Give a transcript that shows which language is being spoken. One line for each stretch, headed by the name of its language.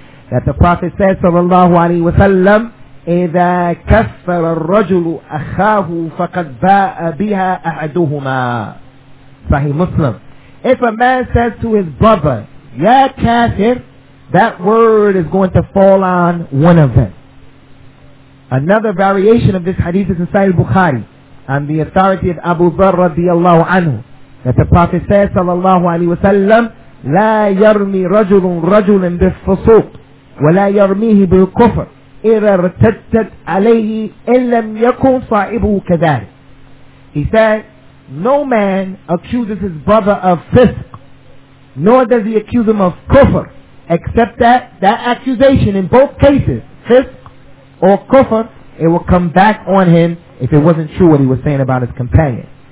English: That the Prophet said
Arabic: sallallahu alayhi wa sallam, إِذَا كَفَّرَ الرَّجُلُ أَخَاهُ فَقَدْ بَاءَ بِهَا أَحَدُهُمَا. Sahih Muslim.
English: If a man says to his brother, Ya kafir, that word is going to fall on one of them. Another variation of this hadith is in Sahih Bukhari. On the authority of Abu Dharr radiallahu anhu. That the Prophet says,
Arabic: sallallahu alayhi wa sallam, لَا يَرْمِي رَجُلٌ رَجُلٍ بِالْفُسُوقِ وَلَا يَرْمِيهِ بِالْكُفْرِ إِذَا ارْتَدَّتْ عَلَيْهِ إِنْ لَمْ يَكُنْ صَاحِبُهُ كَذَلِكَ.
English: He said, no man accuses his brother of fisq, nor does he accuse him of kufr, except that that accusation in both cases, fisq or kufr, it will come back on him if it wasn't true what he was saying about his companion.